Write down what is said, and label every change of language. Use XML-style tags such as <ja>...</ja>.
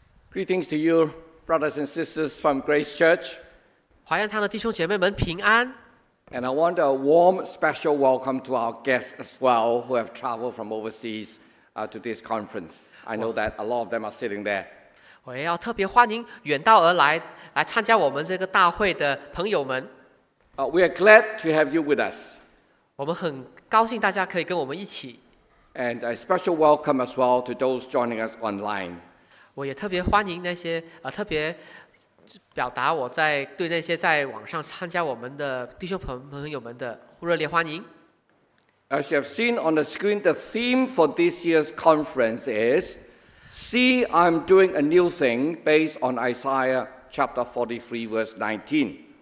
<en>Greetings to you, brothers and sisters from Grace Church.</en> <zh>华严堂的弟兄姐妹们平安。</zh> <en>And I want a warm, special welcome to our guests as well who have traveled from overseas to this conference. I know that a lot of them are sitting there.</en> <zh>我也要特别欢迎远道而来，来参加我们这个大会的朋友们。</zh> <en>We are glad to have you with us.</en> <zh>我们很高兴大家可以跟我们一起。</zh> <en>And a special welcome as well to those joining us online.</en> <zh>我也特别欢迎那些，特别表达我在对那些在网上参加我们的弟兄朋友们的热烈欢迎。As</zh> <en>you have seen on the screen, the theme for this year's conference is "See, I'm doing a new thing," based on Isaiah chapter 43, verse 19.</en>